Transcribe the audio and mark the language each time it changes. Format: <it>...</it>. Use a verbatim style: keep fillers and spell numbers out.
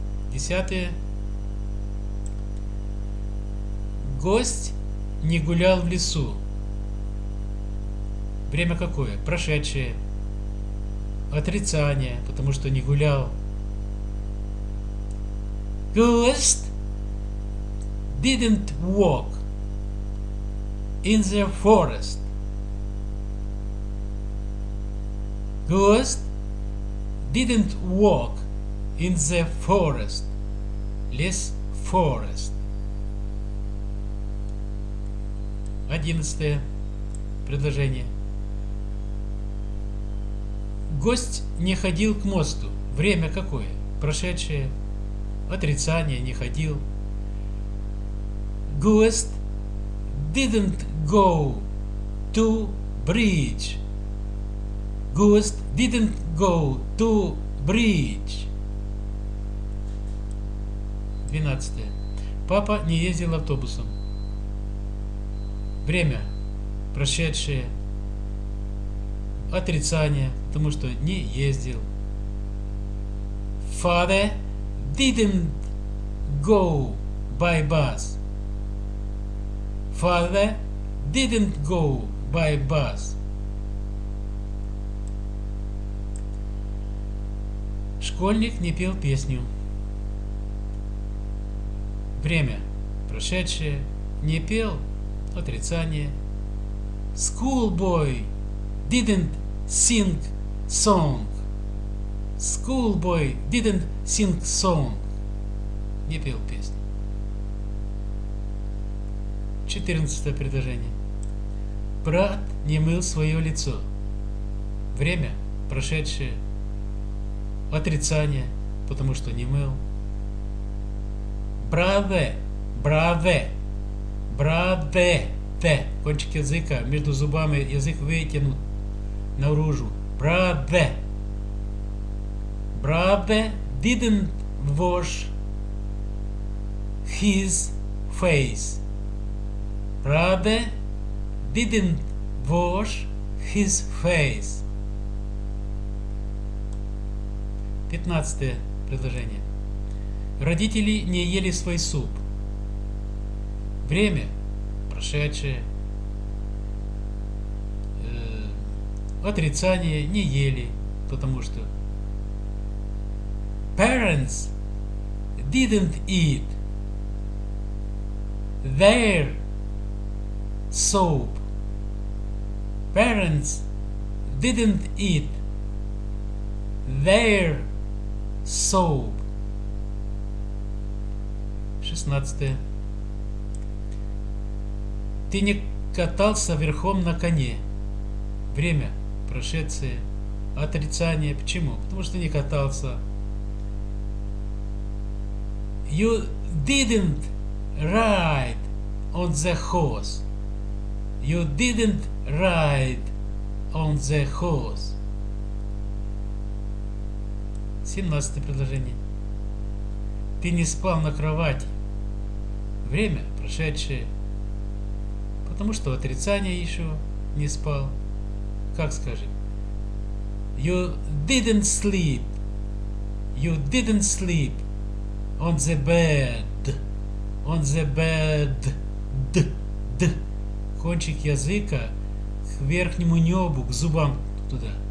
<ru>Десятое. Гость не гулял в лесу. Время какое? Прошедшее. Отрицание, потому что не гулял.</ru> <en>Ghost didn't walk in the forest. Ghost didn't walk in the forest.</en> <ru>Лес forest. Одиннадцатое предложение. Гость не ходил к мосту. Время какое? Прошедшее. Отрицание, не ходил.</ru> <en>Guest didn't go to bridge. Guest didn't go to bridge.</en> <ru>Двенадцатое. Папа не ездил автобусом. Время прошедшее. Отрицание, потому что не ездил.</ru> <en>Father didn't go by bus. Father didn't go by bus.</en> <ru>Школьник не пел песню. Время прошедшее. Не пел. Отрицание.</ru> <en>Schoolboy didn't sing song. Schoolboy didn't sing song.</en> <ru>Не пел песню. четырнадцатое предложение. Брат не мыл свое лицо. Время прошедшее. Отрицание, потому что не мыл.</ru> <en>Brother, brother, brother. Т.</en> <ru>Кончик языка между зубами, язык вытянут наружу.</ru> <en>Brother. Brother didn't wash his face. Brother didn't wash his face.</en> <ru>Пятнадцатое предложение. Родители не ели свой суп. Время прошедшее. Э, отрицание, не ели, потому что.</ru> <en>Parents didn't eat their soup. Parents didn't eat their soup.</en> <ru>Шестнадцатое. Ты не катался верхом на коне. Время прошедшее. Отрицание. Почему? Потому что не катался.</ru> <en>You didn't ride on the horse. You didn't ride on the horse.</en> <ru>Семнадцатое предложение. Ты не спал на кровати. Время прошедшее. Потому что отрицание еще не спал. Как скажем?</ru> <en>You didn't sleep. You didn't sleep on the bed. On the bed.</en> <ru>Д. Д. Кончик языка к верхнему небу, к зубам туда.</ru>